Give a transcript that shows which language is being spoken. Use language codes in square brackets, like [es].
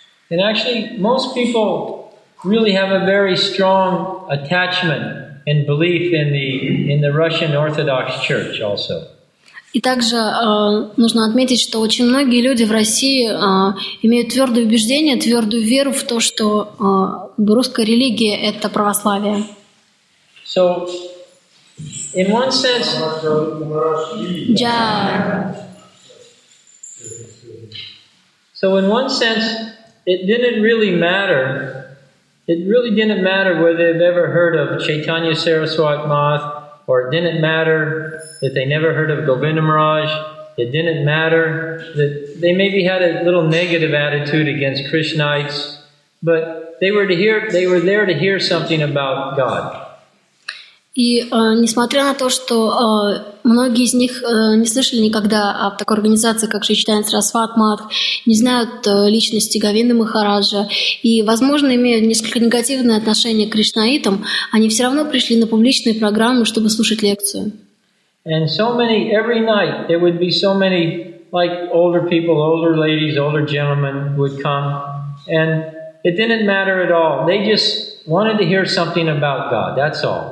[en] And actually, most people really have a very strong attachment and belief in the Russian Orthodox Church also. [ru] И также нужно отметить, что очень многие люди в России имеют твердое убеждение, твердую веру в то, что русская религия – это православие. [en] So, in one sense, yeah. So in one sense, it didn't really matter. It really didn't matter whether they've ever heard of Chaitanya Saraswat Math, or it didn't matter that they never heard of Govinda Maharaj. It didn't matter that they maybe had a little negative attitude against Krishnites, but they were there to hear something about God. [ru] И несмотря на то, что многие из них не слышали никогда о такой организации, как Шичтайн Сарасват Матх, не знают личности Говинды Махараджа и, возможно, имеют несколько негативное отношение к кришнаитам, они все равно пришли на публичные программы, чтобы слушать лекцию. [en] And so many, every night, there would be so many, like, older people, older ladies, older gentlemen would come, and it didn't matter at all. They just wanted to hear something about God, that's all.